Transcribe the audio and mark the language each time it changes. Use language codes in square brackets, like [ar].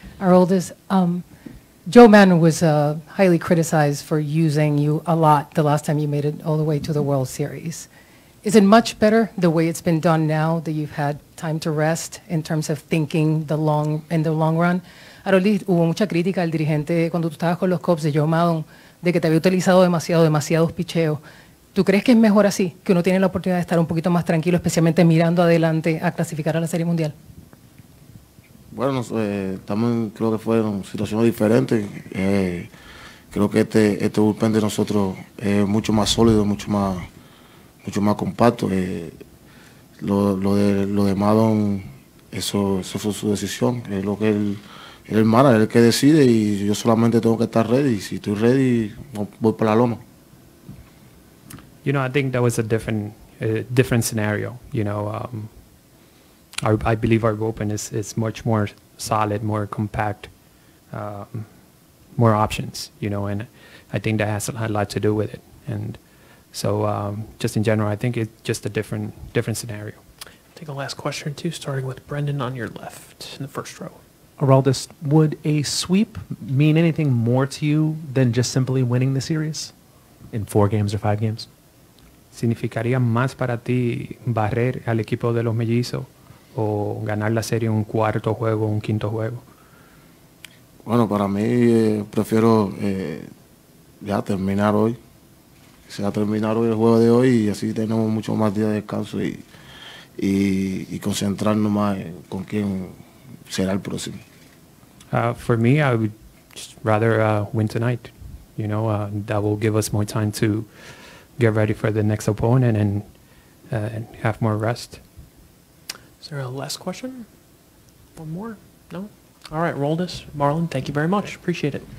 [en] Aroldis, Joe Madden was highly criticized for using you a lot the last time you made it all the way to the World Series. Is it much better the way it's been done now that you've had time to rest in terms of thinking in the long run? [es] Aroldis, hubo mucha crítica al dirigente cuando tú estabas con los Cubs de Joe Madden de que te había utilizado demasiados picheos. ¿Tú crees que es mejor así, que uno tiene la oportunidad de estar un poquito más tranquilo, especialmente mirando adelante a clasificar a la Serie Mundial? Bueno, estamos, creo que fue en una situación diferente. Creo que este bullpen de nosotros es mucho más sólido, mucho más compacto. Lo de Madden, eso fue su decisión. Es lo que él manda, es el que decide, y yo solamente tengo que estar ready. Si estoy ready, voy para la loma. [en] You know, I think that was a different scenario. You know, I believe our bullpen is much more solid, more compact, more options. You know, and I think that has a lot to do with it. And so, just in general, I think it's just a different scenario. I'll take a last question too, starting with Brendan on your left in the first row. Aroldis, would a sweep mean anything more to you than just simply winning the series in four games or five games? [es] ¿Significaría más para ti barrer al equipo de los mellizos o ganar la serie un cuarto juego, un quinto juego? Bueno, para mí prefiero ya terminar hoy. Sea terminar hoy el juego de hoy y así tenemos mucho más días de descanso y concentrarnos más en con quién será el próximo. [en] For me, I would just rather win tonight. You know, that will give us more time to get ready for the next opponent and have more rest. Is there a last question? One more? No? All right, Aroldis. Marlon, thank you very much. Appreciate it.